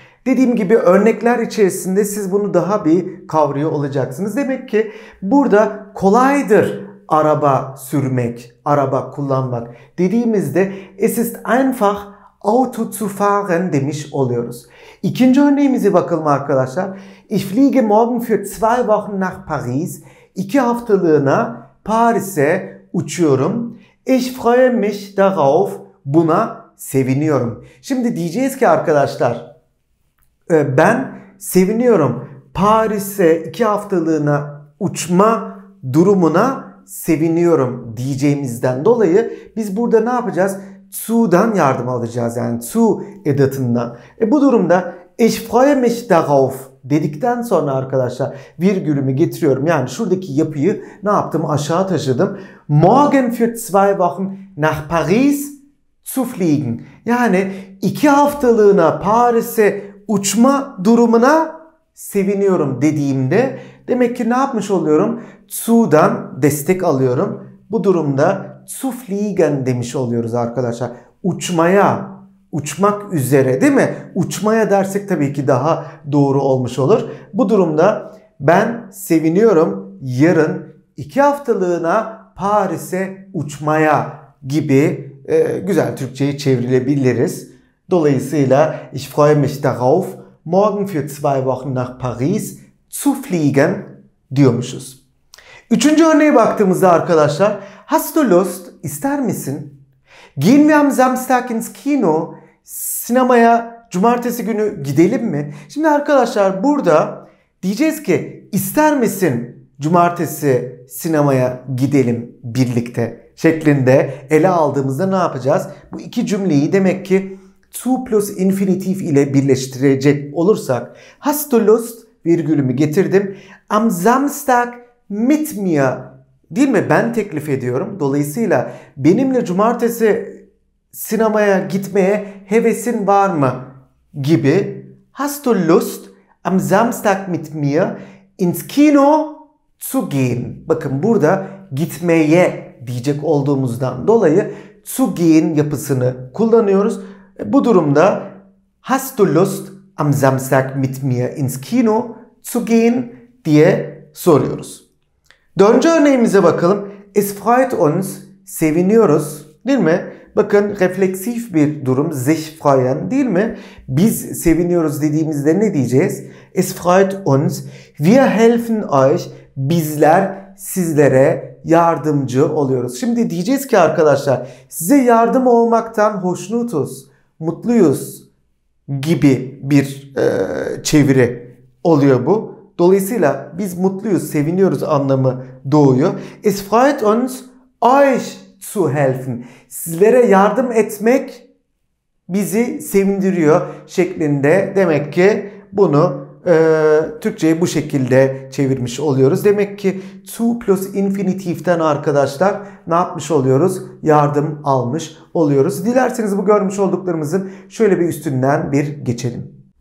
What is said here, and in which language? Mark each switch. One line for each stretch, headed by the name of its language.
Turkish: Dediğim gibi örnekler içerisinde siz bunu daha bir kavrıyor olacaksınız. Demek ki burada kolaydır araba sürmek, araba kullanmak dediğimizde
German: es ist einfach Auto zu fahren
Turkish: demiş oluyoruz. İkinci örneğimize bakalım arkadaşlar.
German: Ich fliege morgen für zwei Wochen nach Paris.
Turkish: İki haftalığına Paris'e uçuyorum.
German: Ich freue mich darauf.
Turkish: Buna seviniyorum. Şimdi diyeceğiz ki arkadaşlar, ben seviniyorum. Paris'e iki haftalığına uçma durumuna seviniyorum diyeceğimizden dolayı biz burada ne yapacağız? Zu'dan yardım alacağız, yani zu edatından. Bu durumda
German: ich freue mich darauf
Turkish: dedikten sonra arkadaşlar virgülümü getiriyorum. Yani şuradaki yapıyı ne yaptım? Aşağı taşıdım.
German: Morgen für zwei Wochen nach Paris zu fliegen.
Turkish: Yani iki haftalığına Paris'e uçma durumuna seviniyorum dediğimde demek ki ne yapmış oluyorum? Zu'dan destek alıyorum. Bu durumda zu fliegen demiş oluyoruz arkadaşlar. Uçmaya, uçmak üzere, değil mi? Uçmaya dersek tabii ki daha doğru olmuş olur. Bu durumda ben seviniyorum yarın iki haftalığına Paris'e uçmaya gibi güzel Türkçe'ye çevrilebiliriz. Dolayısıyla
German: ich freue mich darauf, morgen für zwei Wochen nach Paris zu fliegen
Turkish: diyormuşuz. Üçüncü örneğe baktığımızda arkadaşlar,
German: hast du Lust,
Turkish: ister misin?
German: Gehen wir am Samstag ins Kino,
Turkish: sinemaya cumartesi günü gidelim mi? Şimdi arkadaşlar burada diyeceğiz ki ister misin cumartesi sinemaya gidelim birlikte şeklinde ele aldığımızda ne yapacağız? Bu iki cümleyi demek ki zu plus infinitive ile birleştirecek olursak
German: hast du Lust
Turkish: virgülümü getirdim.
German: Am Samstag mit mir,
Turkish: değil mi? Ben teklif ediyorum. Dolayısıyla benimle cumartesi sinemaya gitmeye hevesin var mı gibi.
German: Hast du Lust am Samstag mit mir ins Kino zu gehen?
Turkish: Bakın burada gitmeye diyecek olduğumuzdan dolayı zu gehen yapısını kullanıyoruz. Bu durumda
German: hast du Lust am Samstag mit mir ins Kino zu gehen
Turkish: diye soruyoruz. Dördüncü örneğimize bakalım.
German: Es freut uns,
Turkish: seviniyoruz, değil mi? Bakın refleksif bir durum, sich freuen, değil mi? Biz seviniyoruz dediğimizde ne diyeceğiz?
German: Es freut uns, wir helfen euch,
Turkish: bizler sizlere yardımcı oluyoruz. Şimdi diyeceğiz ki arkadaşlar, size yardım olmaktan hoşnutuz, mutluyuz gibi bir çeviri oluyor bu. Dolayısıyla biz mutluyuz, seviniyoruz anlamı doğuyor.
German: Es freut uns, euch zu helfen.
Turkish: Sizlere yardım etmek bizi sevindiriyor şeklinde. Demek ki bunu Türkçe'ye bu şekilde çevirmiş oluyoruz. Demek ki zu plus infinitive'den arkadaşlar ne yapmış oluyoruz? Yardım almış oluyoruz. Dilerseniz bu görmüş olduklarımızın şöyle bir üstünden bir geçelim.